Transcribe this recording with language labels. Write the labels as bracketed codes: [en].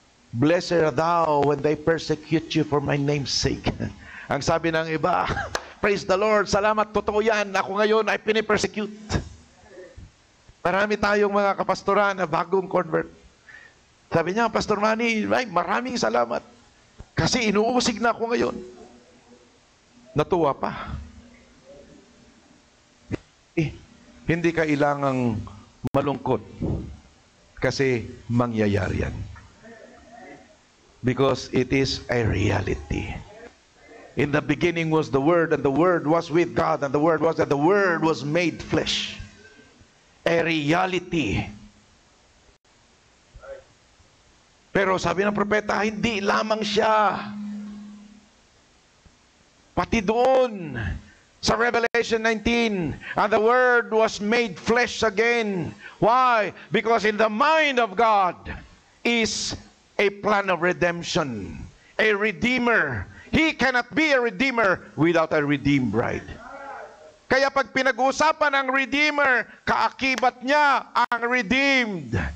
[en] Blessed are thou when they persecute you for my name's sake. [tl] Ang sabi ng iba, [en] praise the Lord, [tl] salamat, totoo yan, ako ngayon ay pinipersecute. Marami tayong mga kapastoran na bagong convert. Sabi niya, Pastor Manny, ay, maraming salamat. Kasi inuusig na ako ngayon. Natuwa pa. Hindi kailangang malungkot. Kasi mangyayari yan. [en] Because it is a reality. In the beginning was the Word, and the Word was with God, and the Word was that the Word was made flesh. A reality. [tl] Pero sabi ng propeta, hindi lamang siya. Pati doon, sa [en] Revelation 19, and the Word was made flesh again. Why? Because in the mind of God is a plan of redemption. A redeemer. He cannot be a redeemer without a redeemed bride. [tl] Kaya pag pinag-uusapan ang redeemer, kaakibat niya ang redeemed.